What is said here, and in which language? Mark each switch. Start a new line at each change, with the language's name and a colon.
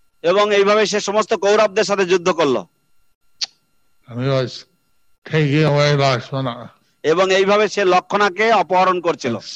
Bangla: এবং এইভাবে সে সমস্ত কৌরবদের সাথে যুদ্ধ করলো.
English: And he was taking away Lakshmana.
Bangla: এবং এইভাবে সে লক্ষণাকে অপহরণ করছিল.